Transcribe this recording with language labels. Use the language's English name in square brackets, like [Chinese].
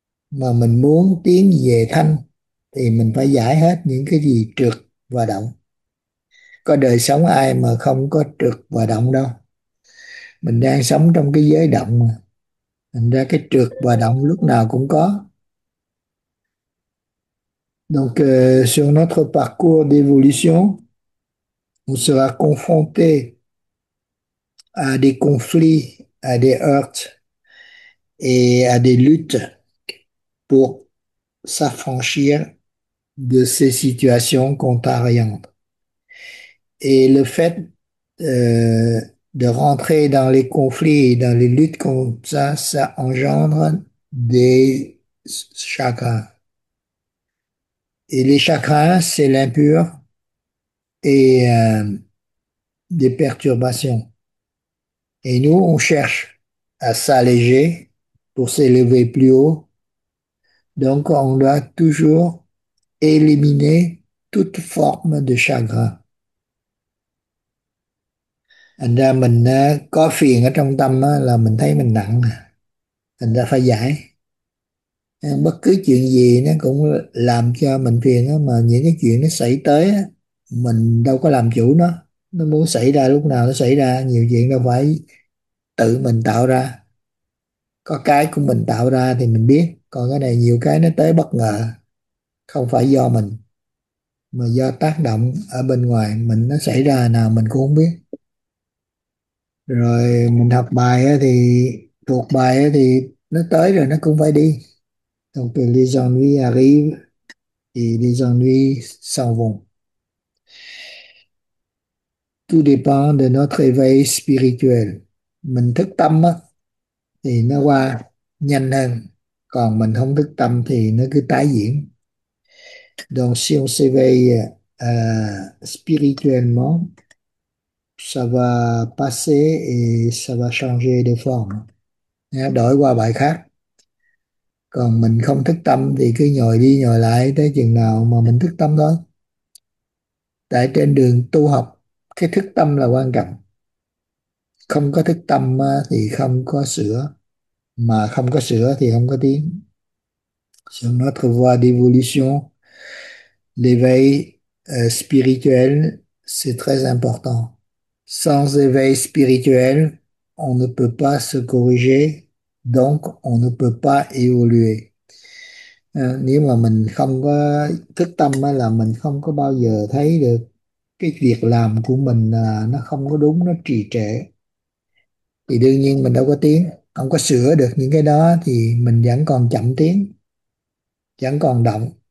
[Vietnamese] Mà mình muốn tiến về thanh thì mình phải giải hết những cái gì trược và động. Có đời sống ai mà không có trược và động đâu. Mình đang sống trong cái giới động mà. Thành ra cái trược và động lúc nào cũng có. [French] Donc, sur notre parcours d'évolution, on sera confronté à des conflits, à des heurts et à des luttes. Pour s'affranchir de ces situations contrariantes. Et le fait de rentrer dans les conflits et dans les luttes comme ça engendre des chakras. Et les chakras, c'est l'impur et des perturbations. Et nous, on cherche à s'alléger pour s'élever plus haut. Donc, on doit toujours éliminer toute forme de chagrin. [Vietnamese] Thành ra mình có phiền ở trong tâm là mình thấy mình nặng, thành ra phải giải. Bất cứ chuyện gì nó cũng làm cho mình phiền, mà những cái chuyện nó xảy tới mình đâu có làm chủ nó. Nó muốn xảy ra lúc nào nó xảy ra, nhiều chuyện đâu phải tự mình tạo ra. Có cái của mình tạo ra thì mình biết, còn cái này nhiều cái nó tới bất ngờ, không phải do mình mà do tác động ở bên ngoài mình, nó xảy ra nào mình cũng không biết. Rồi mình học bài thì thuộc bài thì nó tới rồi nó cũng phải đi. [French] Donc les ennuis arrivent et les ennuis s'en vont. Tout dépend de notre éveil spirituel. [Vietnamese] Mình thức tâm thì nó qua nhanh hơn, còn mình không thức tâm thì nó cứ tái diễn. [French] Donc si on s'éveille spirituellement, ça va passer et ça va changer de forme. [Vietnamese] Đổi qua bài khác. Còn mình không thức tâm thì cứ nhồi đi nhồi lại tới chừng nào mà mình thức tâm thôi. Tại trên đường tu học, cái thức tâm là quan trọng. Không có thức tâm thì không có sữa, mà không có sữa thì không có tiếng. [French] Sur notre voie d'évolution, l'éveil spirituel, c'est très important. Sans éveil spirituel, on ne peut pas se corriger, donc on ne peut pas évoluer. [Vietnamese] Nếu mà mình không có thức tâm là mình không có bao giờ thấy được cái việc làm của mình là nó không có đúng, nó trì trệ. Thì đương nhiên mình đâu có tiến, không có sửa được những cái đó thì mình vẫn còn chậm tiến, vẫn còn động.